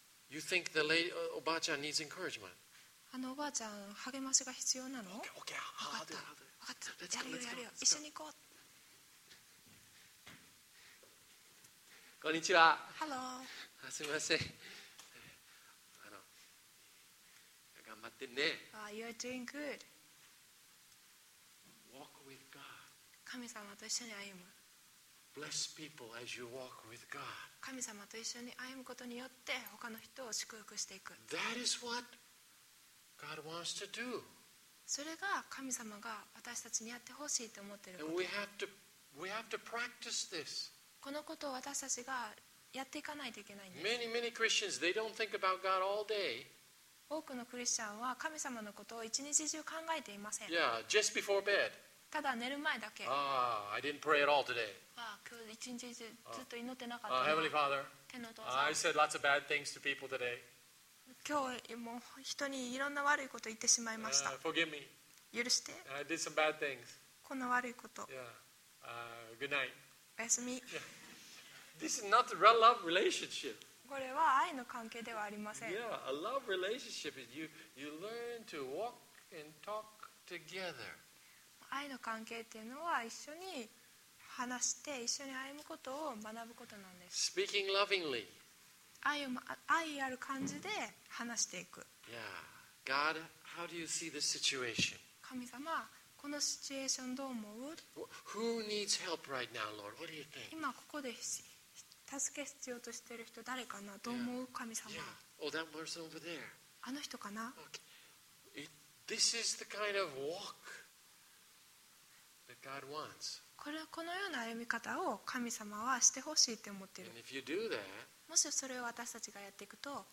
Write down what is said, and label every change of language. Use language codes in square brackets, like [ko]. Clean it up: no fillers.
[en] You think the lady, おばあちゃん needs encouragement? [ja] おばあちゃん励ましが必要なの? [en] Okay, okay. I'll do it. [ja] 分かった。やるよやるよ。一緒に行こう。こんにちは。 [en] Hello. [ja] すみません。頑張ってね。 [en] You're doing good. Walk with God. [ja] 神様と一緒に歩む。 [en] Bless people as you walk with God. [ja] 神様と一緒に歩むことによって他の人を祝福していく。 [en] That is what God wants to do. [ja] それが神様が私たちにやってほしいと思っていること。 [en] And we have to practice this. [ja] このことを私たちがやっていかないといけないんです。 [en] Many, many Christians, they don't think about God all day. [ja] 多くのクリスチャンは神様のことを一日中考えていません。 [en] Yeah, just before bed. [ja] ただ寝る前だけ。 [en] I didn't pray at all today. [ja] 今日一日中ずっと祈ってなかった。 [en] Heavenly Father, [ja] 天のお父さん。 [en] I said lots of bad things to people today. [ja] 今日も人にいろんな悪いことを言ってしまいました。 [en] Forgive me. [ja] 許して。 [en] I did some bad things. [ja] こんな悪いこと。 [en] Yeah. Good night. [ja] おやすみ。 [en] This is not a love relationship. [ja] これは愛の関係ではありません。 [en] Yeah, a love relationship is you learn to walk and talk together. [ja] 愛の関係っていうのは一緒に話して一緒に歩むことを学ぶことなんです [en] 。 Speaking lovingly. [ja] 愛ある感じで話していく。 [en] Yeah. God, how do you see this situation? [ja] 神様、このシチュエーションどう思う？ [en] Who needs help right now, Lord? What do you think? [ja] 今ここで助け必要としている人誰かな？どう思う？ [en] Yeah. [ja] 神様。 [en] Yeah. Oh, that person over there. [ja] あの人かな？ [en] Okay. This is the kind of walk that God wants. [ja] このような歩み方を神様はしてほしいと思っている。 [en] that, [ja] もしそれを私たちがやっていくと